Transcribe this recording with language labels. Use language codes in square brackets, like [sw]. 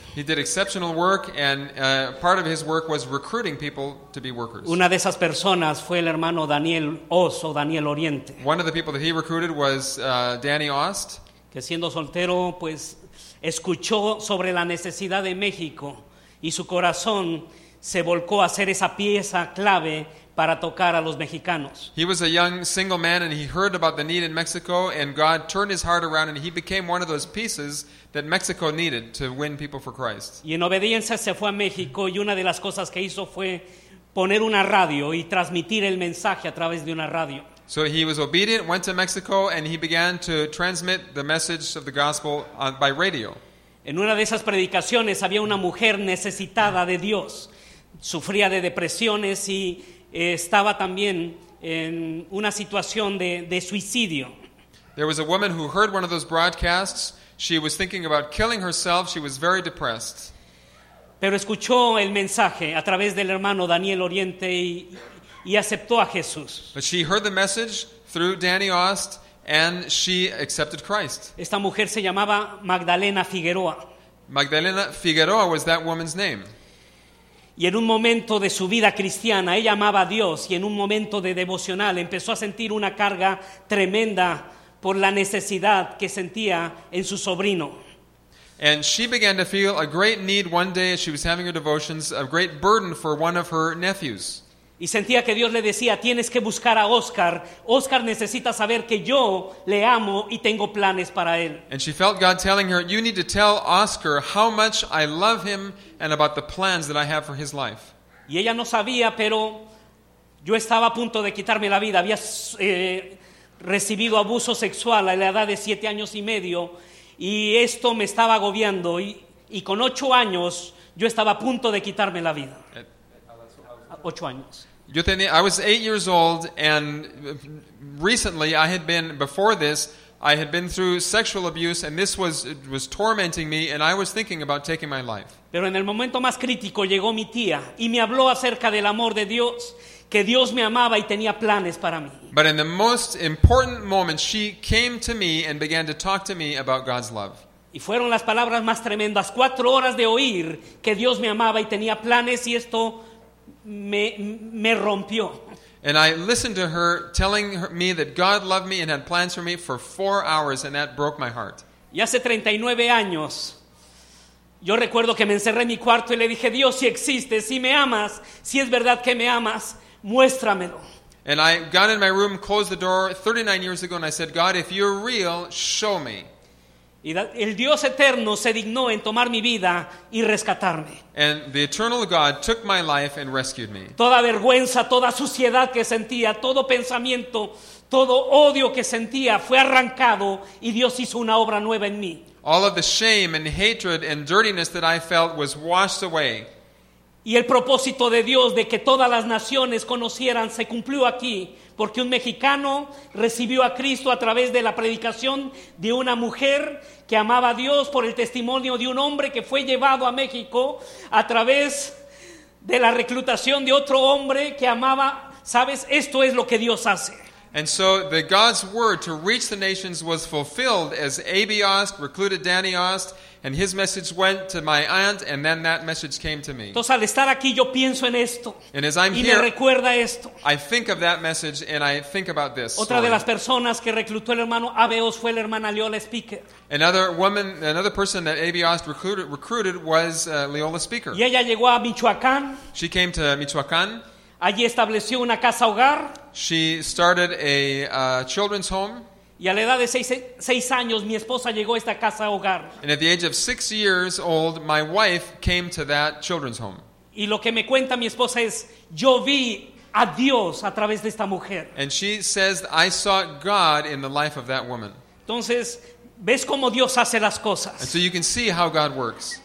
[en] He did exceptional work, and part of his work was recruiting people to be workers. [es] Una de esas personas fue el hermano Daniel Ost, o Daniel Oriente. [en] One of the people that he recruited was Danny Ost. [es] Que siendo soltero, pues, escuchó sobre la necesidad de México, y su corazón se volcó a ser esa pieza clave para tocar a los mexicanos. [en] He was a young single man, and he heard about the need in Mexico, and God turned his heart around, and he became one of those pieces that Mexico needed to win people for Christ. [es] Y en obediencia se fue a México, y una de las cosas que hizo fue poner una radio y transmitir el mensaje a través de una radio. [en] So he was obedient, went to Mexico, and he began to transmit the message of the gospel by radio. [es] En una de esas predicaciones había una mujer necesitada de Dios. Sufría de depresiones y estaba también en una situación de suicidio. [en] There was a woman who heard one of those broadcasts. She was thinking about killing herself. She was very depressed. [es] Pero escuchó el mensaje a través del hermano Daniel Oriente y aceptó a Jesús. [en] But she heard the message through Danny Ost, and she accepted Christ. [es] Esta mujer se llamaba Magdalena Figueroa. [en] Magdalena Figueroa was that woman's name. [es] Y en un momento de su vida cristiana, ella amaba a Dios, y en un momento de devocional empezó a sentir una carga tremenda por la necesidad que sentía en su sobrino. [en] And she began to feel a great need one day as she was having her devotions, a great burden for one of her nephews. [es] Y sentía que Dios le decía, tienes que buscar a Oscar. Oscar necesita saber que yo le amo y tengo planes para él. [en] And she felt God telling her, you need to tell Oscar how much I love him and about the plans that I have for his life. [es] Y ella no sabía, pero yo estaba a punto de quitarme la vida. Había recibido abuso sexual a la edad de 7 años y medio, y esto me estaba agobiando, y con 8 años yo estaba a punto de quitarme la vida. 8 años. [en] I was 8 years old, and recently I had been, before this, I had been through sexual abuse, and this was tormenting me, and I was thinking about taking my life. [es] Pero en el momento más crítico llegó mi tía y me habló acerca del amor de Dios, que Dios me amaba y tenía planes para mí. [en] But in the most important moment, she came to me and began to talk to me about God's love. [es] Y fueron las palabras más tremendas, 4 horas de oír que Dios me amaba y tenía planes, y esto me rompió. [en] And I listened to her telling me that God loved me and had plans for me for 4 hours, and that broke my heart. [es] Y hace 39 años, yo recuerdo que me encerré en mi cuarto y le dije, Dios, si existes, si me amas, si es verdad que me amas, muéstramelo. [en] And I got in my room, closed the door 39 years ago, and I said, God, if you're real, show me. [es] Y el Dios eterno se dignó en tomar mi vida y rescatarme. [en] And the eternal God took my life and rescued me. [es] Toda vergüenza, toda suciedad que sentía, todo pensamiento, todo odio que sentía fue arrancado, y Dios hizo una obra nueva en mí. [en] All of the shame and hatred and dirtiness that I felt was washed away. [es] Y el propósito de Dios de que todas las naciones conocieran se cumplió aquí, porque un mexicano recibió a Cristo a través de la predicación de una mujer que amaba a Dios, por el testimonio de un hombre que fue llevado a México a través de la reclutación de otro hombre que amaba. ¿Sabes? Esto es lo que Dios hace. [en] And so the God's word to reach the nations was fulfilled as A.B. Ost recruited Danny Ost, and his message went to my aunt, and then that message came to me. [es] Entonces, al estar aquí, yo pienso en esto, [en] and as I'm [es] y [en] here, [es] me recuerda esto. [en] I think of that message and I think about this. [es] Otra de las personas que reclutó el hermano A.B. Ost fue la hermana Leola Speaker. [en] Another person that A.B. Ost recruited was Leola Speaker. [es] Y ella llegó a Michoacán. [en] She came to Michoacán. [es] Allí estableció una casa hogar. [en] She started a children's home. [es] Y a la edad de 6 años, mi esposa llegó a esta casa hogar. [en] And at the age of 6 years old, my wife came to that children's home. [es] Y lo que me cuenta mi esposa es, yo vi a Dios a través de esta mujer. [en] And she says, I sought God in the life of that woman. [es] Entonces, ves cómo Dios hace las cosas. [en] And so you can see how God works.